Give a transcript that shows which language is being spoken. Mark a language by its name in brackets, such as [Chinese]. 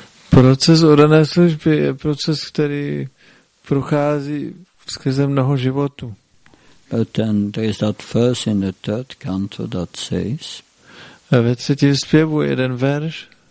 [Czech] Proces oddané služby je proces, který prochází skrze mnoho životů. [English] But then there is that verse in the third canto that says. [Czech] A ve třetím zpěvu jeden verš.